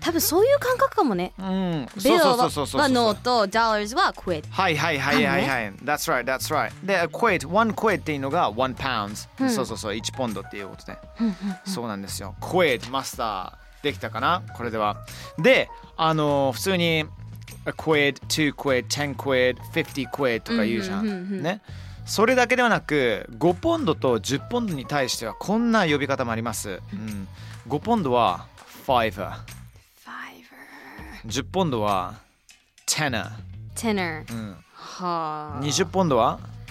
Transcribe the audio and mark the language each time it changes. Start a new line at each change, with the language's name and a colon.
Japanese: 多分そういう感覚かもね。
English: bill
Japanese: はノート、 dollars は quid。はいはいはいはいはい、ね、
English: that's right that's right。
Japanese: で、 quid、 one quid っていうのが one pound、そうそうそう、1ポンドっていうことで、そうなんですよ。 quid マスターできたかな、これでは。
English: で、普通にA quid, two quid, ten quid, fifty quid
Japanese: とか言うじゃん、ね。それだけではなく、5ポンドと10ポンドに対してはこんな呼び方もあります。うん、5ポンドは fiver。
English: fiver。
Japanese: 10ポンドは tenner。
English: tenner。うん。はあ。
Japanese: 20ポンドは